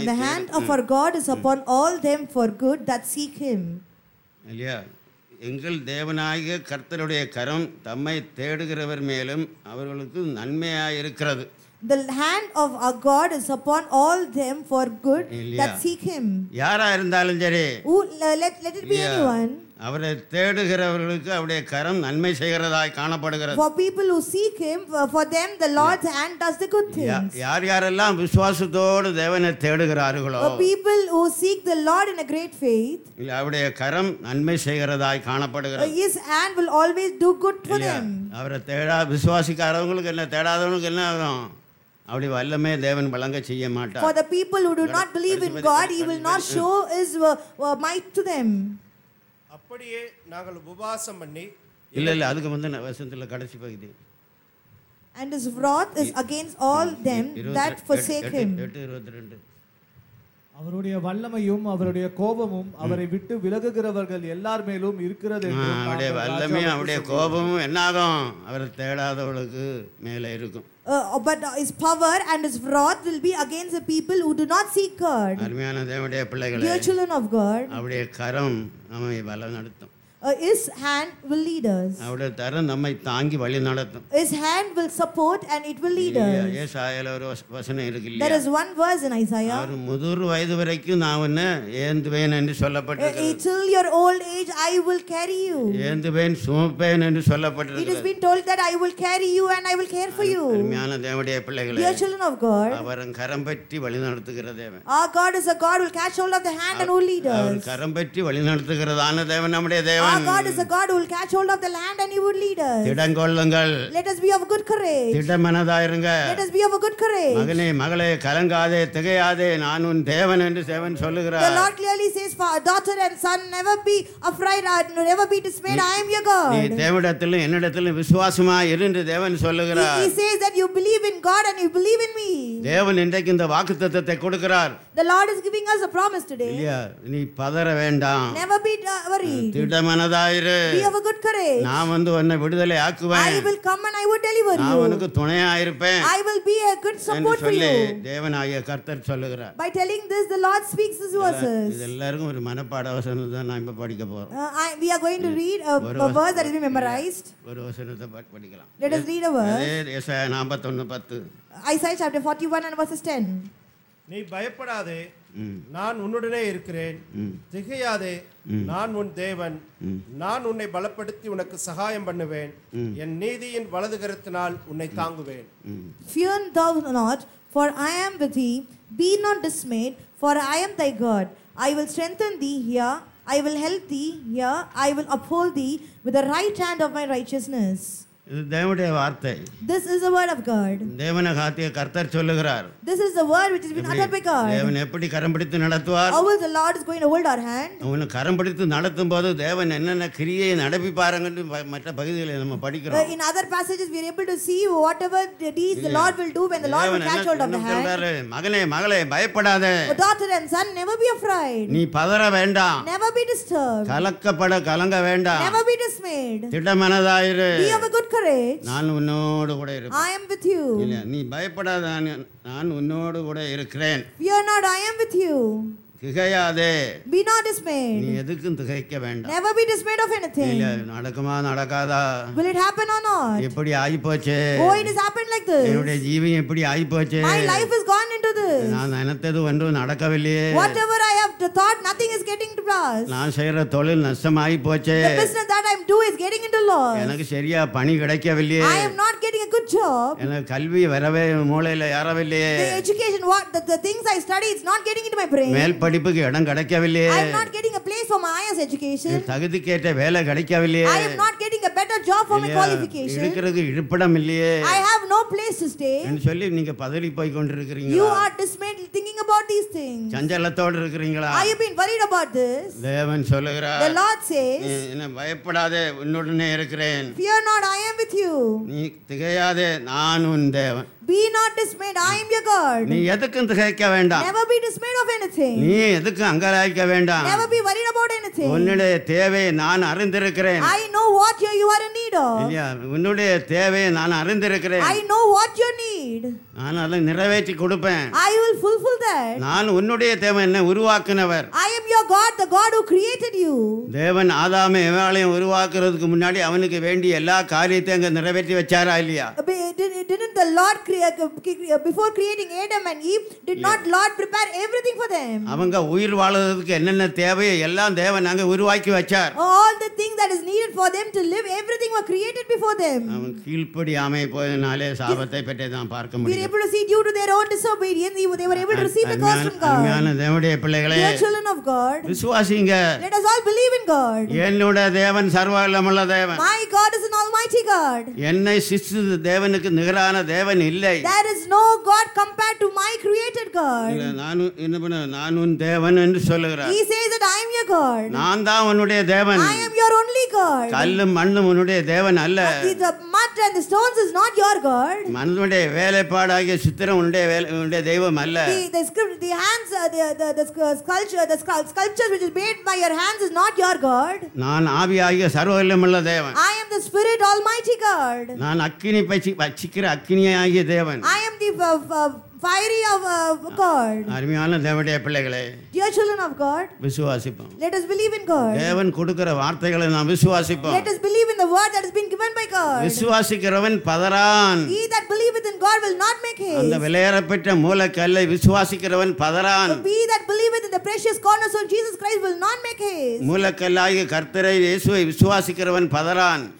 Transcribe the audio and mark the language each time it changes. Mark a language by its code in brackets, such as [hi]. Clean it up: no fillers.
[ta] தேட. [en] The hand of our God is upon all them for good that seek him. [ta] இல்லையா? எங்கள் தேவனாகிய கர்த்தருடைய கரம் தம்மை தேடுகிறவர் மேலும் அவர்களுக்கு நன்மையாய் இருக்கிறது. [en] The hand of our God is upon all them for good that seek him. [ta] யாரா இருந்தாலும் சரி. [en] Let it be anyone. [ta] அவரை தேடுகிறவர்களுக்கு அவருடைய கரம் நன்மை செய்கிறதாய் காணப்படுகிறது. [en] For people who seek him, for them the Lord's hand does the good things. [ta] யார் யாரெல்லாம் விசுவாசத்தோடு தேவனை தேடுகிறார்களோ. [en] For people who seek the Lord in a great faith. [ta] அவருடைய கரம் நன்மை செய்கிறதாய் காணப்படுகிறது. [en] His hand will always do good for them. [ta] அவரை தேடா விசுவாசிக்காதவங்களுக்கு என்ன, தேடாதவங்களுக்கு என்ன ஆகும்? அவருடைய வல்லமே தேவன் வழங்க செய்ய மாட்டார். [en] For the people who do not believe in God, he will not show his might to them. [ta] அப்படியே நாங்கள் உபவாசம் பண்ணி. இல்ல இல்ல, அதுக்கு வந்து வசனத்துல கடைசி பகுதி. [en] And his wrath is against all them that forsake him. 22. [ta] அவருடைய வல்லமையும் அவருடைய கோபமும் அவரை விட்டு விலகுகிறவர்கள் எல்லார் மேலும் இருக்கிறது. அவருடைய வல்லமையும் அவருடைய கோபமும் என்னாகும்? அவரை தேடாதவர்களுக்கு மேலே இருக்கும். [en] But his power and his wrath will be against the people who do not seek God. [ta] அருமையான தேவனுடைய பிள்ளைகளே, [en] dear children of God, [ta] அவருடைய கரம் நம்மை வழிநடத்தும். [en] His hand will lead us. [ta] அவருடைய கரம் நம்மை தாங்கி வழிநடத்தும். [en] His hand will support and it will lead us. [ta] ஏசாயால ஒரு வசனம் இருக்கு இல்லையா? [en] There is one verse in Isaiah. [ta] அவர் முதிர் வயது வரைக்கும் நான் உன்னை ஏந்துவேன் என்று சொல்லப்பட்டிருக்கிறது. [en] Until your old age I will carry you. [ta] ஏந்துவேன் சுமப்பேன் என்று சொல்லப்பட்டிருக்கிறது. [en] It has been told that I will carry you and I will care for you. [ta] அருமையான தேவனுடைய பிள்ளைகளே, [en] dear children of God, [ta] அவர் கரம் பற்றி வழிநடத்துகிற தேவன். [en] Our God is a God who will catch hold of the hand and will lead us. [ta] அவர் கரம் பற்றி வழிநடத்துகிறதான தேவன் நம்முடைய தேவன். [en] Our God is a God who will catch hold of the land and he would lead us. [ta] திடங்கொள்ளுங்கள். [en] Let us be of good courage. [ta] திடமனதாயிருங்க. [en] Let us be of a good courage. [ta] மகனே மகளே, கலங்காதே திகையாதே, நான் உன் தேவன் என்று சேவன் சொல்லுகிறார். [en] The Lord clearly says, daughter and son, never be afraid or never be dismayed. I am your God. [ta] நீ தேவனிடத்திலும் என்னிடத்திலும் விசுவாசமா இரு என்று தேவன் சொல்லுகிறார். [en] He says that you believe in God and you believe in me. [ta] தேவன் இன்றைக்கு இந்த வாக்குத்தத்தத்தை கொடுக்கிறார். [en] The Lord is giving us a promise today. [ta] இல்லையா? நீ பதற வேண்டாம். [en] Never be worried. [ta] திடமனதாயிரு. [en] Be of a good courage. [ta] நான் வந்து உன்னை விடுதலை ஆக்குவேன். [en] I will come and I will deliver you. [ta] நான் உனக்கு துணையா இருப்பேன். [en] I will be a good support for you. [ta] தேவனாகிய கர்த்தர் சொல்லுகிறார். [en] By telling this, the Lord speaks these verses. [ta] இது எல்லாருக்கும் ஒரு மனப்பாட வசனம் தான், நான் இப்ப படிக்க போறேன். [en] We are going to read a verse that has been memorized. [ta] ஒரு வசனத்தை படிக்கலாம். [en] Let us read a verse. [ta] ஏசாயா 41:10. [en] Isaiah chapter 41 and verses 10. [ta] நீ பயப்படாதே, நான் உன்னுடனே இருக்கிறேன். திகையாதே, நான் உன் தேவன். நான் உன்னை பலப்படுத்தி உனக்கு சகாயம் பண்ணுவேன். என் நீதியின் வலது கரத்தினால் உன்னை தாங்குவேன். [en] Fear thou not, for I am with thee. Be not dismayed, for I am thy God. I will strengthen thee here. I will help thee here. I will uphold thee with the right hand of my righteousness. [ta] இது தேவனுடைய வார்த்தை. [en] This is the word of God. [ta] தேவனை காத்திய கர்த்தர் சொல்லுகிறார். [en] This is the word which has been uttered by God. [ta] தேவன் எப்படி கரம் பிடித்து நடத்துவார்? [en] How the Lord is going to hold our hand. [ta] அவன் கரம் பிடித்து நடத்தும் போது தேவன் என்னென்ன கிரியையை நடப்பிப்பாருங்கிறது மற்ற பகுதிகளில் நம்ம படிக்கிறோம். [en] In other passages we are able to see whatever deeds the Lord will do when the Lord will catch hold of the hand. [ta] மகளே மகளே, பயப்படாதே. [en] Daughter and son, never be afraid. [ta] நீ பதற வேண்டாம். [en] Never be disturbed. [ta] கலக்கப்பட கலங்க வேண்டாம். [en] Never be dismayed. [ta] திடமனதாயிரு. [en] Be of a good courage. [ta] நான் உன்னோடு கூட இருப்பேன். [en] I am with you. [ta] இல்ல, நீ பயப்படாத, நான் உன்னோடு கூட இருக்கிறேன். [en] Fear not, I am with you. [ta] திகையாதே. [en] Be not dismayed. [ta] நீ எதுக்கும் திகைக்க வேண்டாம். [en] Never be dismayed of anything. [ta] இல்ல, நடக்குமா நடக்காதா? [en] Will it happen or not? [ta] எப்படி ஆகி போச்சு? [en] Oh, it has happened like this. [ta] என்னுடைய ஜீவன் எப்படி ஆகி போச்சு? [en] My life has gone into this. [ta] நான் நினைத்தது ஒன்றும் நடக்கவில்லையே. [en] Whatever I have thought, nothing is getting to pass. [ta] நான் செய்யற தொழில் நஷ்டமாகி போச்சு. [en] The business that I am doing is getting into loss. [ta] எனக்கு சரியா பணி கிடைக்கவில்லையே. [en] I am not getting a good job. [ta] எனக்கு கல்வி வரவே மூளையில ஏறவில்லையே. [en] The education, what the things I study, it's not getting into my brain. [ta] மேல் படிப்புக்கு இடம் கிடைக்கவில்லையே. [en] I am not getting a place for my higher education. [ta] தகுதி கேட்ட வேலை கிடைக்கவில்லையே. [en] I am not getting a better job for my qualification. [ta] இருக்கிறதுக்கு இருப்பிடம் இல்லையே. [en] I have no place to stay. [ta] என்ன சொல்லி நீங்க பதறி போய் கொண்டிருக்கீங்க? [en] You are dismayed thinking about these things. [ta] சஞ்சலத்தோட இருக்கீங்களா? [en] Are you being worried about this? [ta] தேவன் சொல்கிறார். [en] The Lord says, [ta] என்ன பயப்படாதே, உன்னுடனே இருக்கிறேன். [en] Fear not, I am with you. [ta] நீ திகையாதே, நான் உன் தேவன். [en] Be not dismayed, I am your God. [ta] நீ எதுக்கும் திகைக்க வேண்டாம். [en] Never be dismayed of anything. [ta] நீ எதுக்கும் அங்கலாய்க்க வேண்டாம். [en] Never be worried about anything. [ta] உன்னுடைய தேவை நான் அறிந்திருக்கிறேன். [en] I know what you are in need of. [ta] இல்லையா, உன்னுடைய தேவை நான் அறிந்திருக்கிறேன். [en] I know what you need. [ta] நான் அதை நிறைவேற்றி கொடுப்பேன். [en] I will fulfill that. [ta] நான் உன்னுடைய தேவை என்ன உருவாக்கினவர். [en] I am your God, the God who created you. [ta] தேவன் ஆதாமை எவாளையும் உருவாக்குறதுக்கு முன்னாடி அவனுக்கு வேண்டிய எல்லா காரியத்தையும் அங்க நிறைவேற்றி வச்சாரா இல்லையா? [en] Didn't the Lord before creating Adam and Eve, did not Lord prepare everything for them? [ta] அவங்க உயிர் வாழறதுக்கு என்னென்ன தேவையோ எல்லாம் தேவன் அங்க உருவாக்கி வச்சார். [en] All the thing that is needed for them to live, everything was created before them. [ta] அவன் கீழ்ப்படியாமை போனதாலே சாபத்தை பெற்றதான் பார்க்க முடியும். [en] They were able to see due to their own disobedience, they were able to receive the curse from God. [ta] அன்பான தேவனுடைய பிள்ளைகளே, [en] dear children of God, [ta] விசுவாசிங்க. [en] Let us all believe in God. [ta] என்னுடைய தேவன் சர்வவல்லமுள்ள தேவன். [en] My God is an almighty God. [ta] என்னை சிஷ்டித்த தேவனுக்கு நிகரான தேவன் இல்லை. [en] There is no God compared to my created God. [ta] நான் தேவன் என்று சொல்கிறார். [en] He says that I am your God. [ta] நான் தான் உன்னுடைய தேவன். [en] I am your only God. [ta] கல்லும் மண்ணும் உன்னுடைய தேவன் அல்ல. [en] The mud and the stones is not your God. [ta] மனுடைய வேலைப்பாடாகிய சித்திரம் உன்னுடைய தெய்வம் அல்ல. [en] The sculpture which is made by your hands is not your God. [ta] நான் ஆவியாகிய சர்வவல்லமுள்ள தேவன். [en] I am the Spirit Almighty God. [ta] நான் அக்கினி பச்சி வச்சிக்கிற அக்கினியாகிய தேவன். [en] I am the fiery of God. [ta] அருமையான தேவனுடைய பிள்ளைகளே, [en] dear children of God, [ta] விசுவாசிப்போம். [en] Let us believe in God. [ta] தேவன் கொடுக்கிற வார்த்தைகளை நாம் விசுவாசிப்போம். [en] Let us believe in the word that has been given by God. [ta] விசுவாசிக்கிறவன் பதறான். [en] He that believeth in God will not make haste. [ta] அந்த விலையேறப்பட்ட மூலக்கல்லை விசுவாசிக்கிறவன் பதறான். [en] He that believeth in the precious cornerstone Jesus Christ will not make haste. [ta] மூலக்கல்லாகிய கர்த்தரை இயேசுவை விசுவாசிக்கிறவன் பதறான்.